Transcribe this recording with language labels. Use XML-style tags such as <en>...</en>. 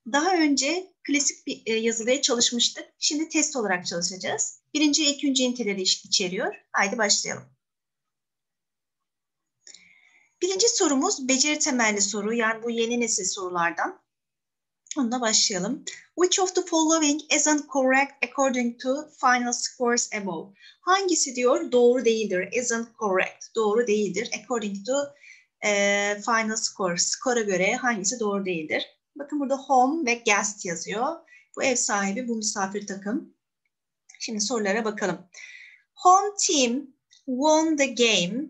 <tr>Daha önce klasik bir yazılıya çalışmıştık, şimdi test olarak çalışacağız. 1. ve 2. üniteleri içeriyor, haydi başlayalım. 1. sorumuz beceri temelli soru, yani bu yeni nesil sorulardan. Onunla başlayalım.</tr> <en>Which of the following isn't correct according to final scores above?</en> <tr>Hangisi diyor doğru değildir,</tr> <en>isn't correct,</en> <tr>doğru değildir.</tr> <en>According to final scores,</en> <tr>skora göre hangisi doğru değildir? Bakın burada home ve guest yazıyor. Bu ev sahibi, bu misafir takım. Şimdi sorulara bakalım.</tr> <en>Home team won the game.</en>